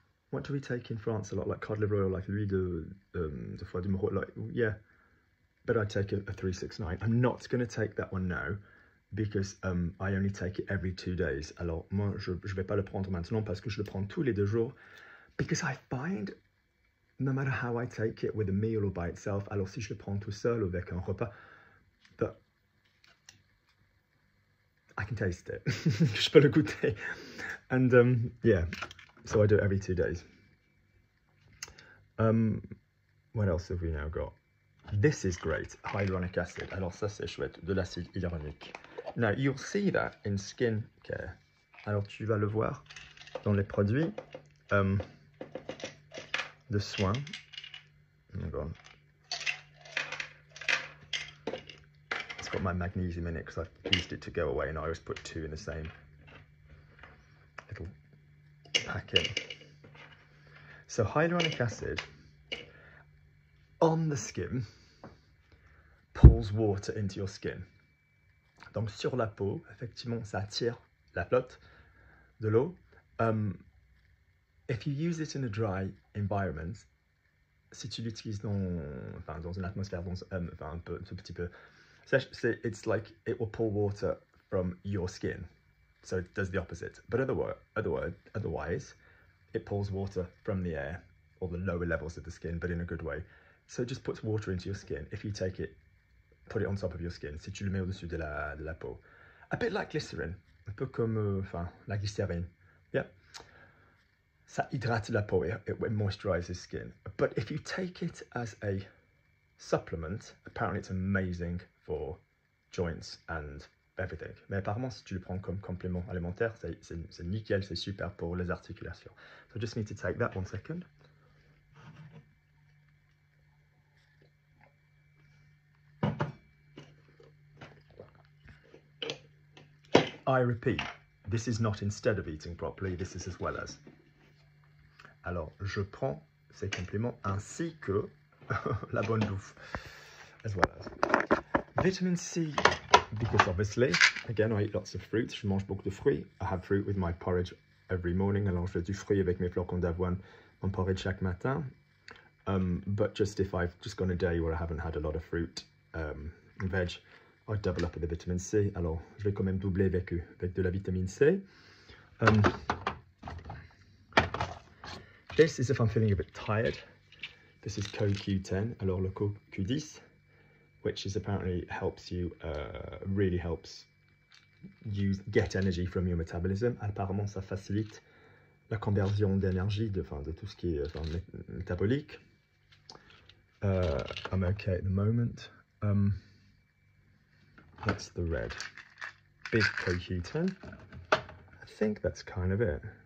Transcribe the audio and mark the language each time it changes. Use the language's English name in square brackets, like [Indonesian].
[English] What do we take in France a lot? Like cod liver oil, like [French] l'huile de foie de morue, [English] like, yeah. But I take a 369. I'm not going to take that one now because I only take it every 2 days. [French] Alors, moi, je vais pas le prendre maintenant parce que je le prends tous les deux jours. [English] Because I find, no matter how I take it, with a meal or by itself, [French] alors si je le prends tout seul ou avec un repas, [English] that I can taste it. [French] Je peux le goûter. [English] And yeah, so I do it every 2 days. What else have we now got? This is great, hyaluronic acid. [French] Alors ça c'est chouette, de l'acide hyaluronique. [English] Now you'll see that in skin care. [French] Alors tu vas le voir dans les produits de soins. [English] It's got my magnesium in it because I've used it to go away and I always put two in the same little packet. So hyaluronic acid on the skin pulls water into your skin. [French] Donc sur la peau, effectivement, ça attire la flotte de l'eau. [English] If you use it in a dry environment, [French] si tu l'utilises dans une atmosphère, un petit peu, [English] it's like it will pull water from your skin. So it does the opposite. But otherwise, it pulls water from the air or the lower levels of the skin, but in a good way. So it just puts water into your skin. If you take it, put it on top of your skin, [French] si tu le mets au-dessus de la peau. [English] A bit like glycerin, [French] un peu comme la glycérine. Yeah. Ça hydrate la peau, [English] it moisturizes skin. But if you take it as a supplement, apparently it's amazing for joints and everything. [French] Mais apparemment, si tu le prends comme complément alimentaire, c'est nickel, c'est super pour les articulations. [English] So I just need to take that 1 second. I repeat, this is not instead of eating properly, this is as well as. [French] Alors, je prends ces compléments ainsi que la bonne bouffe, [English] as well as. Vitamin C, because obviously, again, I eat lots of fruits, [French] je mange beaucoup de fruits. [English] I have fruit with my porridge every morning, [French] alors je fais du fruit avec mes flocons d'avoine, mon porridge chaque matin. [English] But just if I've just gone a day where I haven't had a lot of fruit and veg, I double up with the vitamin C. [French] Alors, je vais quand même doubler avec de la vitamine C. [English] This is if I'm feeling a bit tired. This is CoQ10, [French] alors le CoQ10, [English] which is apparently helps you, really helps you get energy from your metabolism. [French] Apparemment, ça facilite la conversion d'énergie, de tout ce qui est métabolique. [English] I'm okay at the moment. That's the red. Big CoQ10. I think that's kind of it.